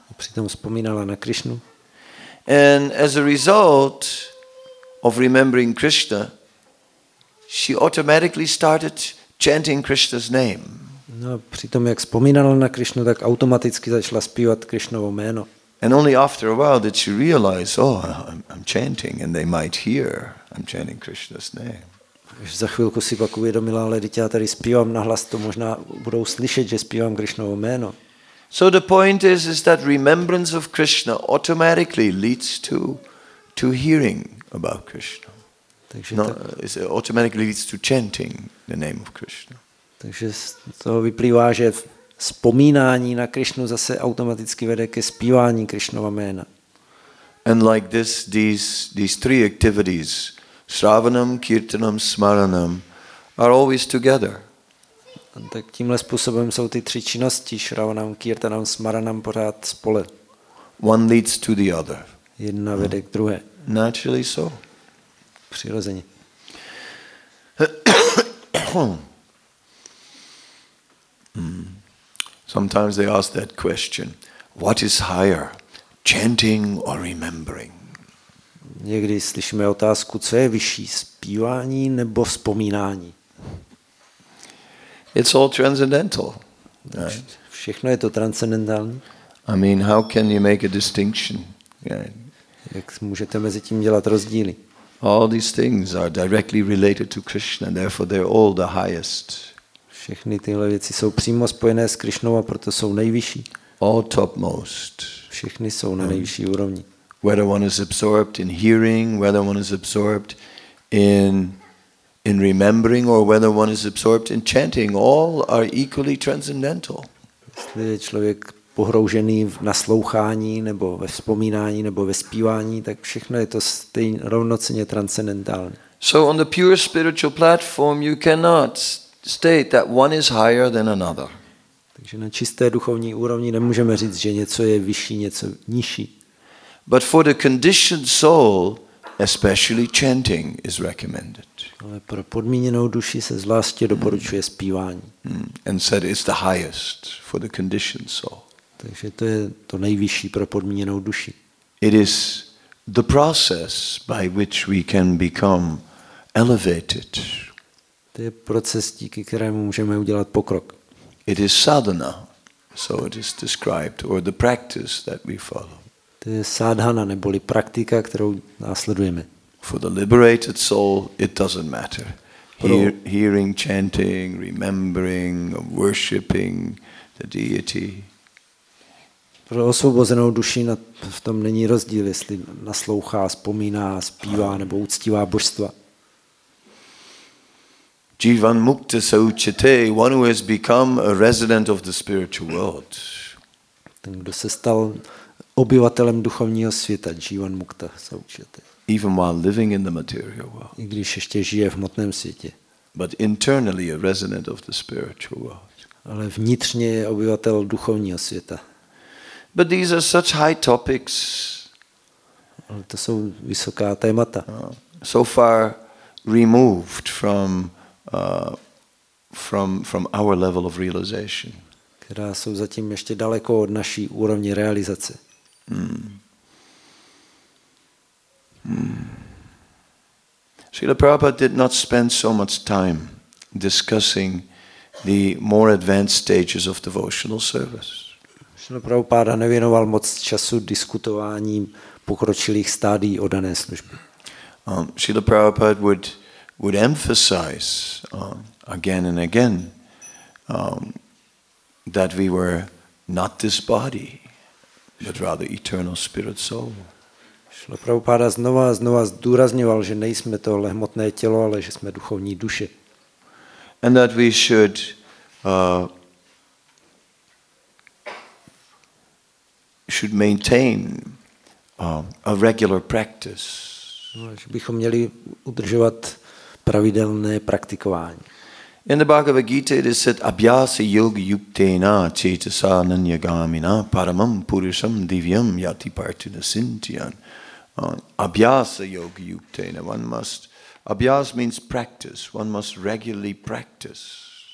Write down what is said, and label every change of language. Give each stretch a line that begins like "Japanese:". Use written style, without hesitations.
Czech: Přitom vzpomínala na Krišnu.
English: And as a result of remembering Krishna, she automatically started chanting Krishna's name.
Czech: No, přitom jak vzpomínala na Krišnu, tak automaticky začala zpívat Krišnovo jméno.
English: And only after a while did she realize, I'm chanting and they might hear I'm chanting Krishna's name.
Czech: Až za chvilku si pak uvědomila, ale teď já tady zpívám nahlas, to možná budou slyšet, že zpívám Krišnovo jméno.
English: So the point is that remembrance of Krishna automatically leads to hearing about Krishna.
Czech: Takže no,
English: it automatically leads to chanting the name of Krishna.
Czech: Takže z toho vyplývá, že vzpomínání na Krišnu zase automaticky vede ke zpívání Krišnova jména.
English: And like this, these three activities, Shravanam, Kirtanam, Smaranam, are always together.
Czech: Tak tímhle způsobem jsou ty tři činnosti, Shravanam, Kirtanam, Smaranam, pořád spole.
English: One leads to the other.
Czech: Jedna vede k druhé.
English: Naturally so.
Czech: Přirozeně.
English: Sometimes they ask that question, what is higher, chanting or remembering?
Czech: Někdy slyšíme otázku, co je vyšší, zpívání nebo vzpomínání?
English: It's all transcendental. Right?
Czech: Všechno je to transcendentální.
English: I mean, how can you make a distinction? Yeah.
Czech: Jak můžete mezi tím dělat rozdíly?
English: All these things are directly related to Krishna, therefore they're all the highest.
Czech: Všechny tyhle věci jsou přímo spojené s Krišnou a proto jsou nejvyšší.
English: All topmost.
Czech: Všechny jsou na nejvyšší úrovni.
English: Whether one is absorbed in hearing, whether one is absorbed in remembering, or whether one is absorbed in chanting, all are equally transcendental.
Czech: Jestli je člověk pohroužený v naslouchání, nebo ve vzpomínání, nebo ve zpívání, tak všechno je to stejně rovnocenně transcendentální.
English: So on the pure spiritual platform you cannot state that one is higher than another.
Czech: Takže na čisté duchovní úrovni nemůžeme říct, že něco je vyšší, něco nižší.
English: But for the conditioned soul, especially chanting is recommended.
Czech: Ale pro podmíněnou duši se zvláště doporučuje zpívání.
English: And said it's the highest for the conditioned soul.
Czech: Takže to je to nejvyšší pro podmíněnou duši.
English: It is the process by which we can become elevated.
Czech: To je proces, díky kterému můžeme udělat pokrok.
English: It is sadhana, so it is described, or the practice that we follow.
Czech: To je sadhana, neboli praktika, kterou následujeme.
English: For the liberated soul, it doesn't matter. Hearing, chanting, remembering, worshipping the deity.
Czech: Pro osvobozenou duši v tom není rozdíl, jestli naslouchá, vzpomíná, zpívá nebo uctívá božstva.
Sanskrit: Jivan mukta se učite,
English: one who has become a resident of the spiritual world.
Czech: Ten, kdo se stal obyvatelem duchovního světa,
Sanskrit: Jivan Mukta se učete.
English: Even while living in the material world.
Czech: I když ještě žije v hmotném světě.
English: But internally a resident of the spiritual world.
Czech: Ale vnitřně je obyvatel duchovního světa.
English: But these are such high topics.
Czech: Ale to jsou vysoká témata.
English: So far removed from our level of realization.
Czech: Která jsou zatím ještě daleko od naší úrovně realizace.
English: Srila Prabhupada did not spend so much time discussing the more advanced stages of devotional service.
Czech: Srila Prabhupada nevěnoval moc času diskutováním pokročilých stádií oddané služby.
English: Srila Prabhupada would emphasize again and again that we were not this body, but rather eternal spirit soul.
Czech: Srila Prabhupada znova a znova zdůrazňoval, že nejsme tohle hmotné tělo, ale že jsme duchovní duše.
English: And that we should should maintain a regular practice.
Czech: Že bychom měli udržovat pravidelné praktikování.
English: In the Bhagavad Gita it is said
Sanskrit: abhyasa yoga yuktena cetasa nanyagamina paramam purusham divyam yati partina sintyan. Abhyasa yoga yuktena,
English: one must, abhyas means practice, one must regularly practice.